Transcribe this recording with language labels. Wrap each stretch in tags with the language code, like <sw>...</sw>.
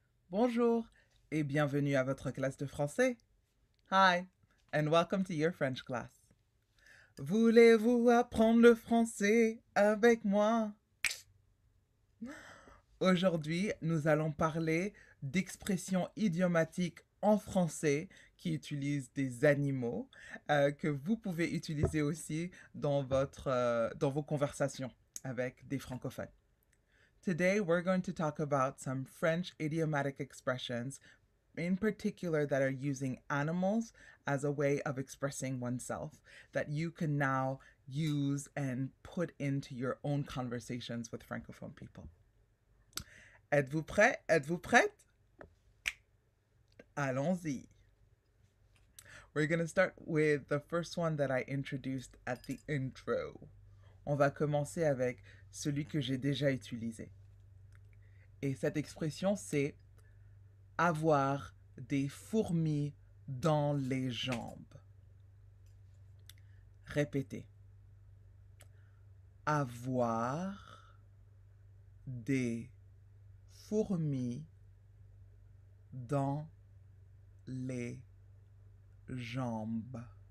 <fr>Bonjour et bienvenue à votre classe de français.</fr> <en>Hi and welcome to your French class.</en> <fr>Voulez-vous apprendre le français avec moi? Aujourd'hui, nous allons parler d'expressions idiomatiques en français qui utilisent des animaux que vous pouvez utiliser aussi dans dans vos conversations avec des francophones.</fr> <en>Today, we're going to talk about some French idiomatic expressions, in particular that are using animals as a way of expressing oneself that you can now use and put into your own conversations with francophone people.</en> <fr>Êtes-vous prêt? Êtes-vous prête? Allons-y.</fr> <en>We're going to start with the first one that I introduced at the intro.</en> <fr>On va commencer avec celui que j'ai déjà utilisé. Et cette expression, c'est avoir des fourmis dans les jambes. Répétez. Avoir des fourmis dans les jambes.</fr>